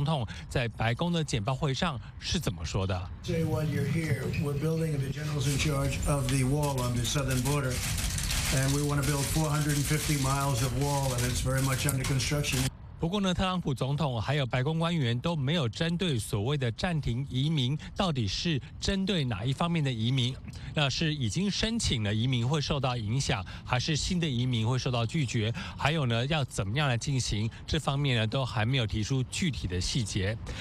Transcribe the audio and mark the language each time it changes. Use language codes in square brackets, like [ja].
[zh] 几十年来的移民造就了我们公民的低工资和高失业，尤其在非裔美国人和拉丁裔的族群。此时，正当美国人盼望回到工作岗位上，我们必须采取行动。那其实呢，在星期一晚上的白宫这个疫情的简报会上呢，特朗普总统也已经提到了他的这个移民政策，也就是要新建美墨之间的这个边境高墙。我们来听一下特朗普总统在白宫的简报会上是怎么说的。 [en] Day one, you're here. We're building the generals in charge of the wall on the southern border, and we want to build 450 miles of wall, and it's very much under construction. [zh] 不过呢，特朗普总统还有白宫官员都没有针对所谓的暂停移民到底是针对哪一方面的移民，那是已经申请了移民会受到影响，还是新的移民会受到拒绝，还有呢要怎么样来进行，这方面呢都还没有提出具体的细节。